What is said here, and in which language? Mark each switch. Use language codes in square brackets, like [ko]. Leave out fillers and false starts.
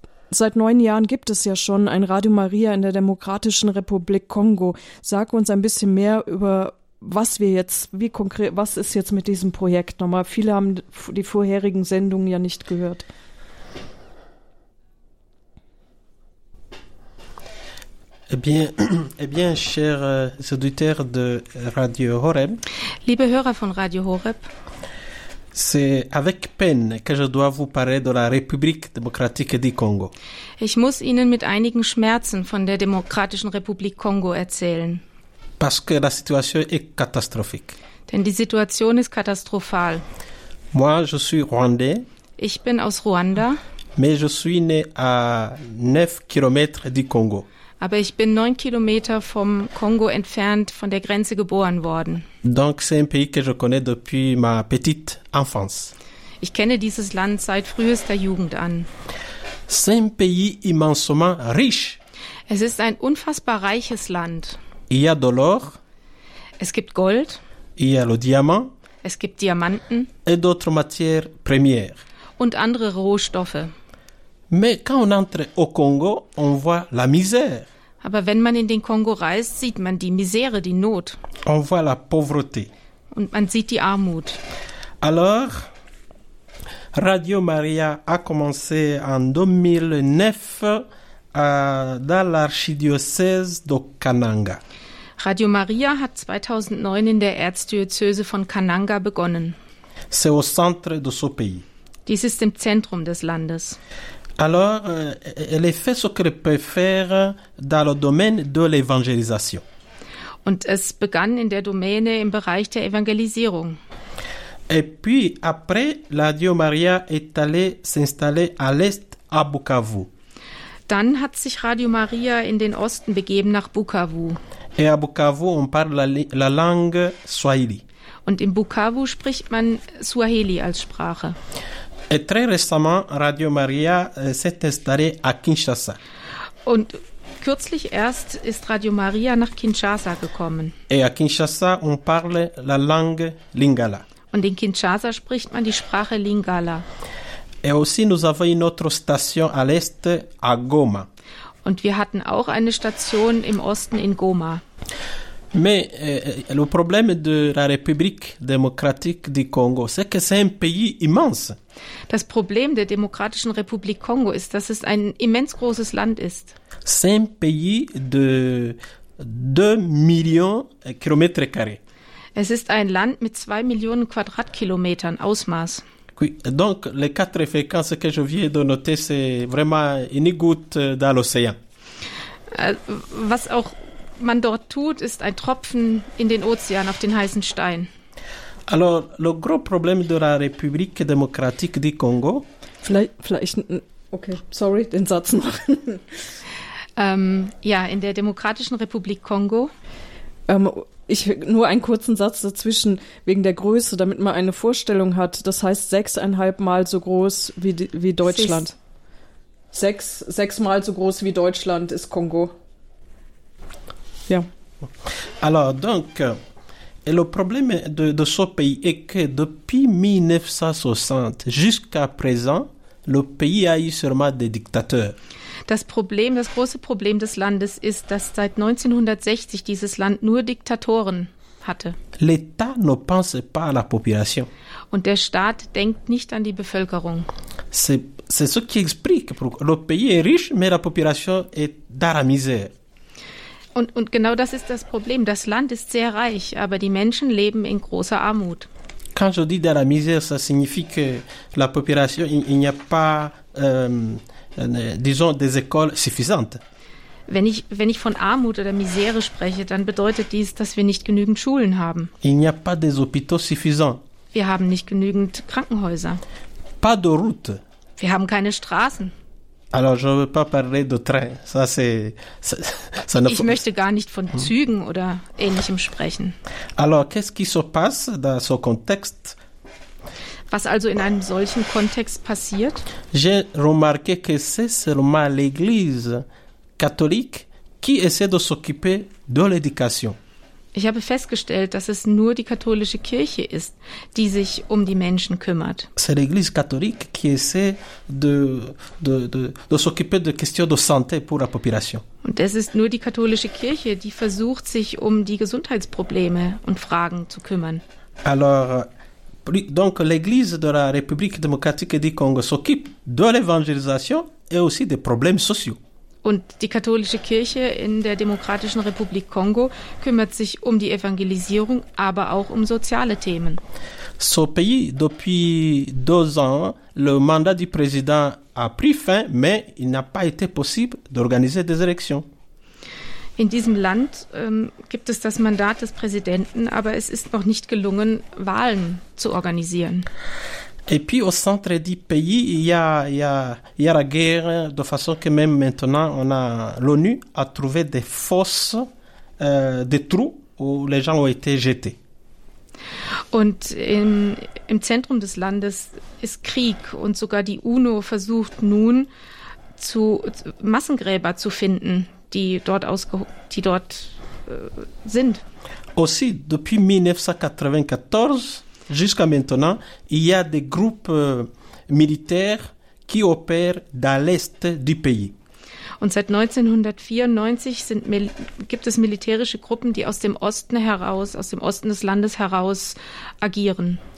[de] Seit 9 Jahren gibt es ja schon ein Radio Maria in der Demokratischen Republik Kongo. Sag uns ein bisschen mehr über was ist jetzt mit diesem Projekt nochmal? Viele haben die vorherigen Sendungen ja nicht gehört. [fr] Eh bien, chers auditeurs de Radio Horeb. [de] Liebe Hörer von Radio Horeb. [fr] C'est avec peine que je dois vous parler de la République démocratique du Congo. [de] Ich muss Ihnen mit einigen Schmerzen von der Demokratischen Republik Kongo erzählen. [fr] Parce que la situation est catastrophique. [de] Denn die Situation ist katastrophal. [fr] Moi, je suis Rwandais. [de] Ich bin aus Ruanda. [fr] Mais je suis né à 9 km du Congo. [de] Aber ich bin 9 Kilometer vom Kongo entfernt von der Grenze geboren worden. [fr] Donc c'est un pays que je connais depuis ma petite enfance. [de] Ich kenne dieses Land seit frühester Jugend an. [fr] C'est un pays immensément riche. [de] Es ist ein unfassbar reiches Land. [fr] Il y a de l'or. [de] Es gibt Gold. [fr] Il y a le diamant. [de] Es gibt Diamanten. [fr] Et d'autres matières premières. [de] Und andere Rohstoffe. [fr] Mais quand on entre au Congo, on voit la misère. [de] Aber wenn man in den Kongo reist, sieht man die Misere, die Not. [fr] On voit la pauvreté. [de] Und man sieht die Armut. [fr] Alors, Radio Maria a commencé en 2009 dans l'archidiocèse de Kananga. [de] Radio Maria hat 2009 in der Erzdiözese von Kananga begonnen. [fr] C'est au centre de ce pays. [de] Dies ist im Zentrum des Landes. [fr] Alors, elle fait ce qu'elle peut faire dans le domaine de l'évangélisation. [de] Und es begann in der Domäne im Bereich der Evangelisierung. [fr] Et puis, après, Radio Maria est allé s'installer à l'est, à Bukavu. [de] Dann hat sich Radio Maria in den Osten begeben, nach Bukavu. [fr] Et à Bukavu, on parle la langue Swahili. [de] Und in Bukavu spricht man Swahili als Sprache. [fr] Et très récemment, Radio Maria s'est installée à Kinshasa. [de] Und kürzlich erst ist Radio Maria nach Kinshasa gekommen. [fr] Et à Kinshasa, on parle la langue Lingala. [de] Und in Kinshasa spricht man die Sprache Lingala. [fr] Et aussi, nous avons une autre station à l'est, à Goma. [de] Und wir hatten auch eine Station im Osten in Goma. [fr] Mais le problème de la République démocratique du Congo, c'est que c'est un pays immense. [de] Das Problem der Demokratischen Republik Kongo ist, dass es ein immens großes Land ist. [fr] C'est un pays de 2 millions de kilomètres carrés. [de] Es ist ein Land mit 2 Millionen Quadratkilometern Ausmaß. [fr] Oui. Donc les quatre fréquences que je viens de noter, c'est vraiment une goutte dans l'océan. [de] Was auch man dort tut, ist ein Tropfen in den Ozean auf den heißen Stein. [fr] Alors, le gros problème de la République démocratique du Congo. [de] Vielleicht, den Satz machen. In der Demokratischen Republik Kongo. Nur einen kurzen Satz dazwischen wegen der Größe, damit man eine Vorstellung hat. Das heißt 6,5 Mal so groß wie Deutschland. Sechsmal so groß wie Deutschland ist Kongo. Ja. [fr] Alors, donc. Et le problème de ce pays est que depuis 1960 jusqu'à présent, le pays a eu seulement des dictateurs. [de] Das große Problem des Landes ist, dass seit 1960 dieses Land nur Diktatoren hatte. [fr] L'État ne pense pas à la population. [de] Und der Staat denkt nicht an die Bevölkerung. [fr] C'est ce qui explique pourquoi le pays est riche, mais la population est dans la misère. [de] Und genau das ist das Problem. Das Land ist sehr reich, aber die Menschen leben in großer Armut. [fr] Quand je dis dans la misère, ça signifie que la population, il n'y a pas, disons, des écoles suffisantes. [de] Wenn ich von Armut oder Misere spreche, dann bedeutet dies, dass wir nicht genügend Schulen haben. [fr] Il n'y a pas des hôpitaux suffisants. [de] Wir haben nicht genügend Krankenhäuser. [fr] Pas de route. [de] Wir haben keine Straßen. [fr] Alors, je veux pas parler de train. Ça, c'est, ça, ça [de] ich möchte gar nicht von Zügen oder Ähnlichem sprechen. [fr] Alors, qu'est-ce qui se passe dans ce contexte? [de] Was also in einem solchen Kontext passiert? [fr] J'ai remarqué que c'est seulement l'Église catholique qui essaie de s'occuper de l'éducation. [de] Ich habe festgestellt, dass es nur die katholische Kirche ist, die sich um die Menschen kümmert. [fr] C'est l'Église catholique qui essaie de s'occuper de questions de santé pour la population. [de] Und es ist nur die katholische Kirche, die versucht, sich um die Gesundheitsprobleme und Fragen zu kümmern. [fr] Alors, donc l'Église de la République démocratique du Congo s'occupe de l'évangélisation et aussi des problèmes sociaux. [de] Und die katholische Kirche in der Demokratischen Republik Kongo kümmert sich um die Evangelisierung, aber auch um soziale Themen. [fr] Ce pays, depuis deux ans, le mandat du président a pris fin, mais il n'a pas été possible d'organiser des élections. [de] In diesem Land gibt es das Mandat des Präsidenten, aber es ist noch nicht gelungen, Wahlen zu organisieren. [fr] Et puis au centre du pays, il y a la guerre, de façon que même maintenant, on a l'ONU a trouvé des fosses, des trous où les gens ont été jetés. [de] Und im Zentrum des Landes ist Krieg und sogar die UNO versucht nun zu Massengräber zu finden, die dort sind. [fr] Aussi depuis 1994 jusqu'à maintenant, il y a des groupes militaires qui opèrent dans l'est du pays. [de] Und seit 1994 gibt es militärische Gruppen, die aus dem Osten heraus, aus dem Osten des Landes heraus agieren.